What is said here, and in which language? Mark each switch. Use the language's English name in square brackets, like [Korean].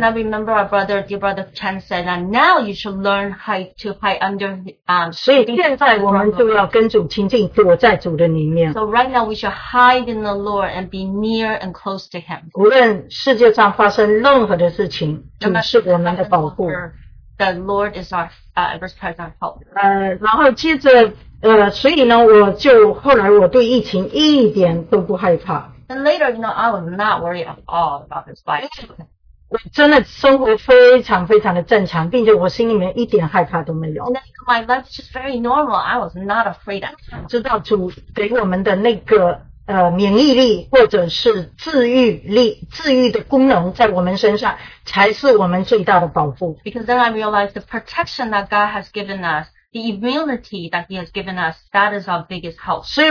[English] And I remember our brother, dear brother Chen said, and now you should learn how to hide under, [Chinese] 所以现在我们就要跟主亲近,躲在主的里面。 [English] So right now we should hide in the Lord and be near and close to Him. [Chinese] 无论世界上发生任何的事情, 主是我们的保护。 [English] The Lord is our, ever-present help. [Chinese] 然后接着,所以呢, 我就后来我对疫情一点都不害怕。 [English] And later, you know, I was not worried at all about this virus. [Chinese] 我真的生活非常非常的正常, 并且我心里面一点害怕都没有。 [English] And then my life is just very normal. I was not afraid at all. [Chinese] 知道主给我们的那个, 免疫力或者是治愈力治愈的功能在我们身上才是我们最大的保护。 [English] Because then I realized the protection that God has given us, the immunity that He has given us, that is our biggest hope.